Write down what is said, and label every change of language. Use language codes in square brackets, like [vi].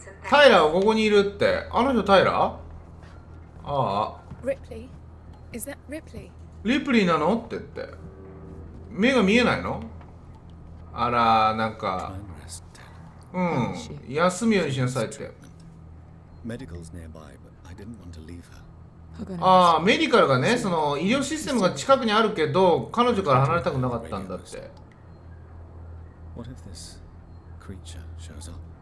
[ja] タイラーはここにいるって。あの人タイラー？ああ。 [en] Ripley? Is that Ripley? [ja] リプリーなのって言って。目が見えないの？あら、なんか。うん、休むようにしなさいって。 [en] Medical's nearby, but I didn't want to leave her. [ja] あ、メディカルがね、その医療システムが近くにあるけど、彼女から離れたくなかったんだって。 [en] What if this creature shows up?